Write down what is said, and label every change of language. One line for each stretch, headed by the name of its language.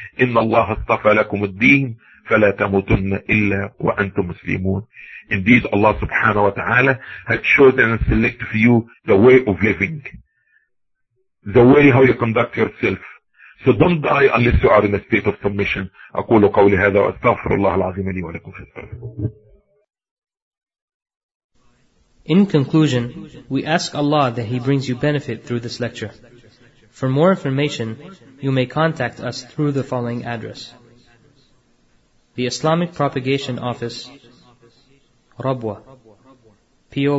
Arabic: إِنَّ اللَّهَ اصْطَفَى لَكُمُ الدِّينَ فَلَا تَمُوتُنَّ إِلَّا وَأَنْتُمْ مُسْلِمُونَ.
English: Indeed, Allah subhanahu wa ta'ala had chosen and selected for you the way of living. The way how you conduct yourself. So don't die unless you are in a state of submission.
Arabic: أقول قولي هذا وأستغفر الله العظيم لي ولكم في الصلاة.
English: In conclusion, we ask Allah that He brings you benefit through this lecture. For more information, you may contact us through the following address. The Islamic Propagation Office, Rabwa, P.O.